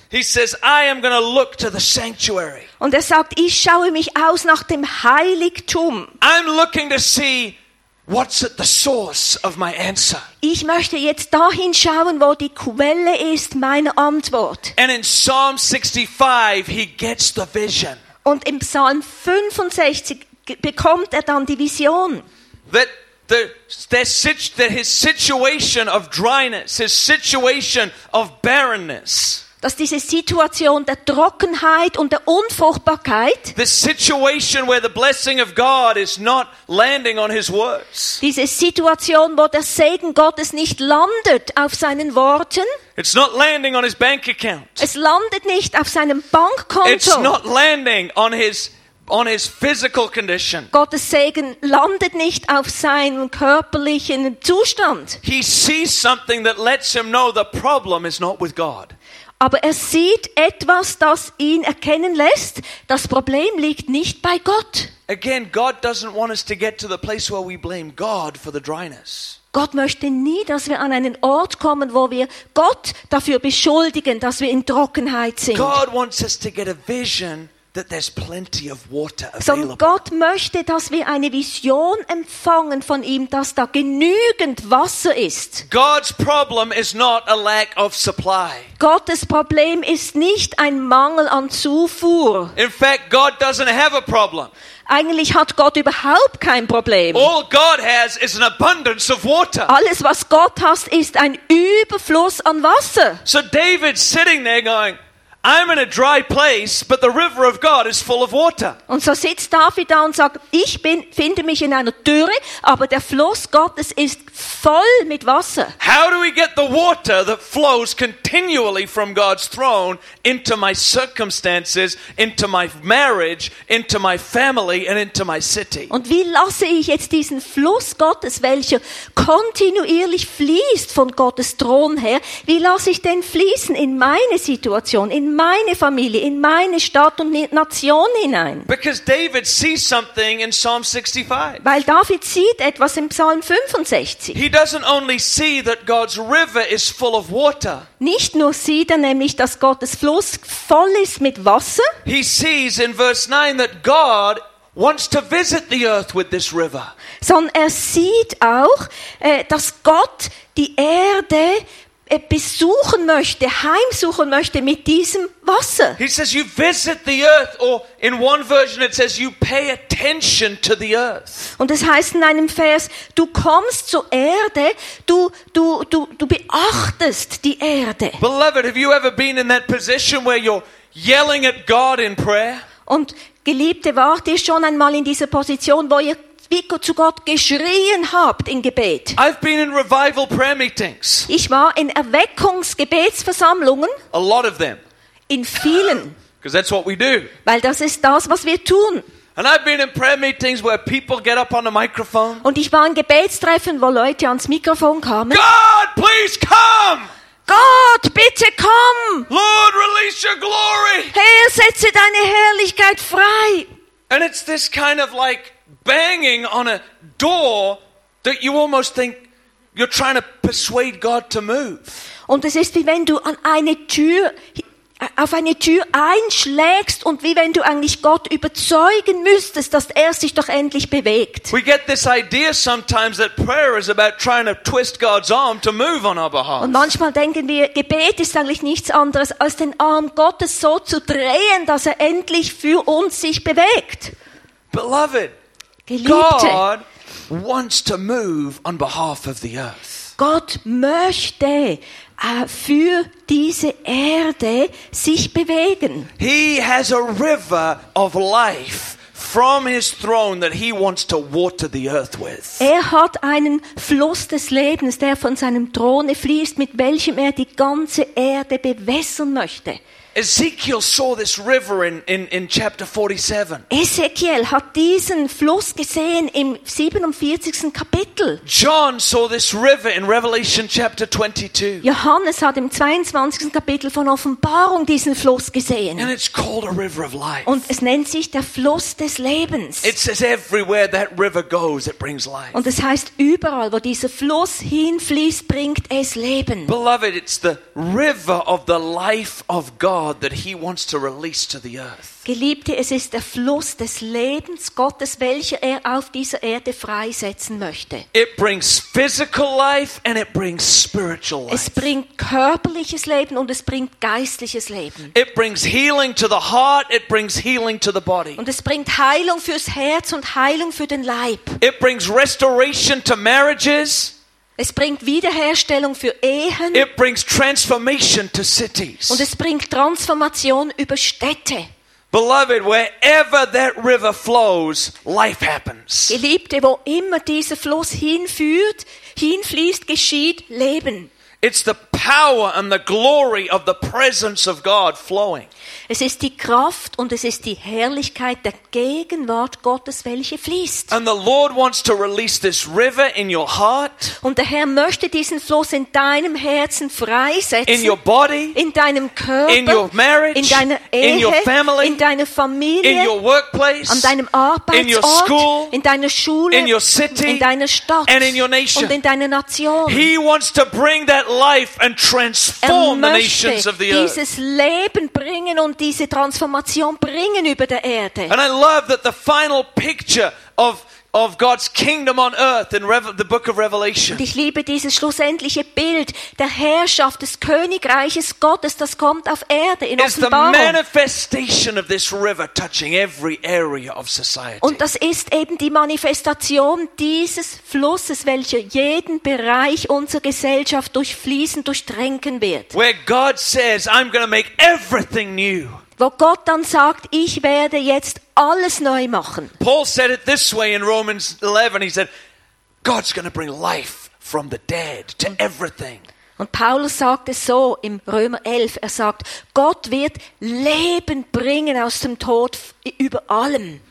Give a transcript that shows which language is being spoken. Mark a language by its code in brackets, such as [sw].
[en] He says, I am going to look to the sanctuary. [de] Und er sagt, ich schaue mich aus nach dem Heiligtum. [en] I'm looking to see what's at the source of my answer. [de] Ich möchte jetzt dahin schauen, wo die Quelle ist meiner Antwort. [en] And in Psalm 65, he gets the vision. [de] Und im Psalm 65 bekommt er dann die Vision. [en] His situation of dryness, his situation of barrenness. [de] Dass diese Situation der Trockenheit und der Unfruchtbarkeit. [en] The situation where the blessing of God is not landing on his words. [de] Diese Situation, wo der Segen Gottes nicht landet auf seinen Worten. [en] It's not landing on his bank account. [de] Es landet nicht auf seinem Bankkonto. [en] It's not landing on his physical condition. [de] Gottes Segen landet nicht auf seinem körperlichen Zustand. [en] He sees something that lets him know the problem is not with God. [de] Aber er sieht etwas, das ihn erkennen lässt, das Problem liegt nicht bei Gott. [en] Again, God doesn't want us to get to the place where we blame God for the dryness. [de] Gott möchte nie, dass wir an einen Ort kommen, wo wir Gott dafür beschuldigen, dass wir in Trockenheit sind. [en] God wants us to get a vision that there's plenty of water available. [de] Sondern Gott möchte, dass wir eine Vision empfangen von ihm, dass da genügend Wasser ist. [en] God's problem is not a lack of supply. [de] Gottes Problem ist nicht ein Mangel an Zufuhr. [en] In fact, God doesn't have a problem. [de] Eigentlich hat Gott überhaupt kein Problem. [en] All God has is an abundance of water. [de] Alles, was Gott hat, ist ein Überfluss an Wasser. [en] So David's sitting there going, I'm in a dry place, but the river of God is full of water. [de] Und so sitzt David da und sagt, ich bin, finde mich in einer Dürre, aber der Fluss Gottes ist voll mit Wasser. [en] How do we get the water that flows continually from God's throne into my circumstances, into my marriage, into my family and into my city? [de] Und wie lasse ich jetzt diesen Fluss Gottes, welcher kontinuierlich fließt von Gottes Thron her, wie lasse ich den fließen in meine Situation, in meine Familie, in meine Stadt und Nation hinein? [en] Because David sees something in Psalm 65. [de] Weil David sieht etwas im Psalm 65. [en] He doesn't only see that God's river is full of water. [de] Nicht nur sieht er nämlich, dass Gottes Fluss voll ist mit Wasser. [en] He sees in verse 9 that God wants to visit the earth with this river. [de] Sondern er sieht auch, dass Gott die Erde besuchen möchte, heimsuchen möchte mit diesem Wasser. [en] He says you visit the earth, or in one version it says you pay attention to the earth. [de] Und es heißt in einem Vers, du kommst zur Erde, du beachtest die Erde. [en] Beloved, have you ever been in that position where you're yelling at God in prayer? [de] Und Geliebte, wart ihr schon einmal in dieser Position, wo ihr wie zu Gott geschrien habt im Gebet? [en] I've been in revival prayer meetings. [de] Ich war in Erweckungsgebetsversammlungen. [en] A lot of them. [de] In vielen. [en] Because that's what we do. [de] Weil das ist das, was wir tun. [en] And I've been in prayer meetings where people get up on the microphone. [de] Und ich war in Gebetstreffen, wo Leute ans Mikrofon kamen. [en] God, please come! [de] Gott, bitte komm! [en] Lord, release your glory! [de] Herr, setze deine Herrlichkeit frei! [en] And it's this kind of like banging on a door that you almost think you're trying to persuade God to move. [de] Und es ist wie wenn du an eine Tür, auf eine Tür einschlägst und wie wenn du eigentlich Gott überzeugen müsstest, dass sich doch endlich bewegt. [en] We get this idea sometimes that prayer is about trying to twist God's arm to move on our behalf. [de] Und manchmal denken wir, Gebet ist eigentlich nichts anderes als den Arm Gottes so zu drehen, dass endlich für uns sich bewegt. [en] Beloved, [de] Geliebte, [en] God wants to move on behalf of the earth. [de] Gott möchte für diese Erde sich bewegen. [en] He has a river of life from his throne that he wants to water the earth with. [de] Er hat einen Fluss des Lebens, der von seinem Throne fließt, mit welchem die ganze Erde bewässern möchte. [en] Ezekiel saw this river in chapter 47. [de] Ezekiel hat diesen Fluss gesehen im 47. Kapitel. [en] John saw this river in Revelation chapter 22. [de] Johannes hat im 22. Kapitel von Offenbarung diesen Fluss gesehen. [en] And it's called a river of life. [de] Und es nennt sich der Fluss des Lebens. [en] It says everywhere that river goes, it brings life. [de] Und es heißt überall, wo dieser Fluss hinfließt, bringt es Leben. [en] Beloved, it's the river of the life of God that he wants to release to the earth. [de] Geliebte, es ist der Fluss des Lebens Gottes, welcher auf dieser Erde freisetzen möchte. [en] It brings physical life and it brings spiritual life. [de] Es bringt körperliches Leben und es bringt geistliches Leben. [en] It brings healing to the heart, it brings healing to the body. [de] Und es bringt Heilung fürs Herz und Heilung für den Leib. [en] It brings restoration to marriages. [de] Es bringt Wiederherstellung für Ehen. [en] It brings transformation to cities. [de] Und es bringt Transformation über Städte. [en] Beloved, wherever that river flows, life happens. [de] Geliebte, wo immer dieser Fluss hinführt, hinfließt, geschieht Leben. [en] It's the power and the glory of the presence of God flowing. [de] Es ist die Kraft und es ist die Herrlichkeit der Gegenwart Gottes, welche fließt. [en] And the Lord wants to release this river in your heart. [de] Und der Herr möchte diesen Fluss in deinem Herzen freisetzen. [en] In your body. [de] In deinem Körper. [en] In your marriage. [de] In deiner Ehe. [en] In your family. [de] In deiner Familie. [en] In your workplace. [de] An deinem Arbeitsort. [en] In your school. [de] In deiner Schule. [en] In your city. [de] In deiner Stadt. [en] And in your nation. [de] Und in deiner Nation. [en] He wants to bring that life and transform the nations of the earth. [de] Er möchte dieses Leben bringen und diese Transformation bringen über der Erde. [en] And I love that the final picture of God's kingdom on earth in the book of Revelation. [de] Und ich liebe dieses schlussendliche Bild der Herrschaft des Königreiches Gottes, das kommt auf Erde in Offenbarung. [en] It's the manifestation of this river touching every area of society. [de] Und das ist eben die Manifestation dieses Flusses, welcher jeden Bereich unserer Gesellschaft durchfließen, durchtränken wird. [en] Where God says, I'm going to make everything new. [de] Wo Gott dann sagt, ich werde jetzt alles neu machen. [en] Paul said it this way in Romans 11. He said, God's going to bring life from the dead to everything. [de] Und Paulus sagt es so im Römer 11. Er sagt, Gott wird Leben bringen aus dem Tod über allem.